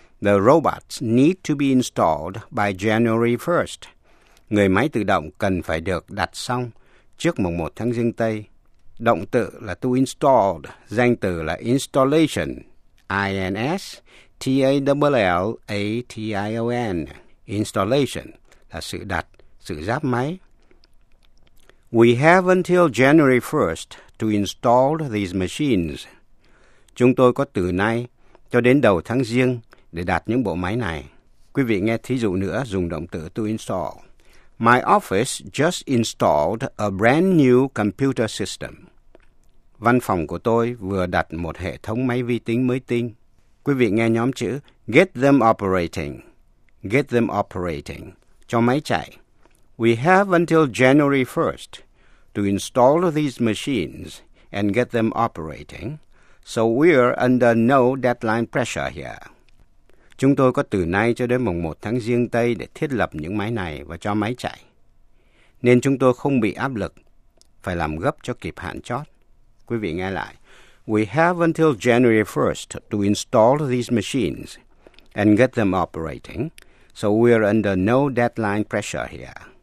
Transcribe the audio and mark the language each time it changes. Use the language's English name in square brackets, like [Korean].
[English] The robots need to be installed by January 1st. [Vietnamese] Người máy tự động cần phải được đặt xong trước mùng 1 tháng Giêng Tây. Động từ là to install, danh từ là installation, I-N-S-T-A-L-L-A-T-I-O-N, installation, là sự đặt, sự ráp máy. [English] We have until January 1st to install these machines. [Vietnamese] Chúng tôi có từ nay cho đến đầu tháng Giêng để đặt những bộ máy này. Quý vị nghe thí dụ nữa dùng động từ to install. [English] My office just installed a brand new computer system. [Vietnamese] Văn phòng của tôi vừa đặt một hệ thống máy vi tính mới tinh. Quý vị nghe nhóm chữ [English] get them operating, [Vietnamese] cho máy chạy. [English] We have until January 1st to install these machines and get them operating, so we're under no deadline pressure here. [Vietnamese] Chúng tôi có từ nay cho đến mùng 1 tháng Giêng Tây để thiết lập những máy này và cho máy chạy. Nên chúng tôi không bị áp lực, phải làm gấp cho kịp hạn chót. Quý vị nghe lại. [English] We have until January 1st to install these machines and get them operating, so we are under no deadline pressure here.